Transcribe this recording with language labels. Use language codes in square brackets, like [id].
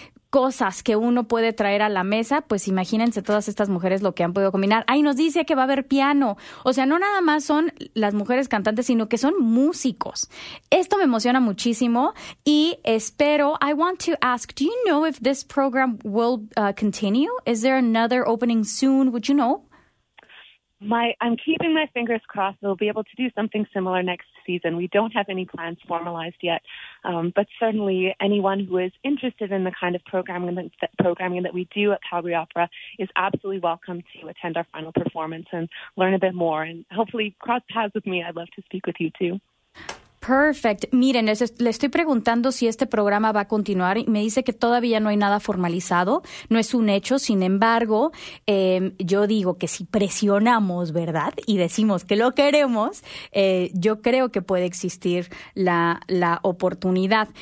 [es] cosas que uno puede traer a la mesa, pues imagínense todas estas mujeres lo que han podido combinar. ¡Ay, nos dice que va a haber piano! O sea, no nada más son las mujeres cantantes, sino que son músicos. Esto me emociona muchísimo y espero... [en] I want to ask, do you know if this program will continue? Is there another opening soon? Would you know? I'm keeping my fingers crossed we'll be able to do something similar next season. We don't have any plans formalized yet, but certainly anyone who is interested in the kind of programming that we do at Calgary Opera is absolutely welcome to attend our final performance and learn a bit more. And hopefully cross paths with me. I'd love to speak with you too. Perfect. [es] Miren, le estoy preguntando si este programa va a continuar. Me dice que todavía no hay nada formalizado. No es un hecho. Sin embargo, yo digo que si presionamos, ¿verdad? Y decimos que lo queremos, yo creo que puede existir la oportunidad.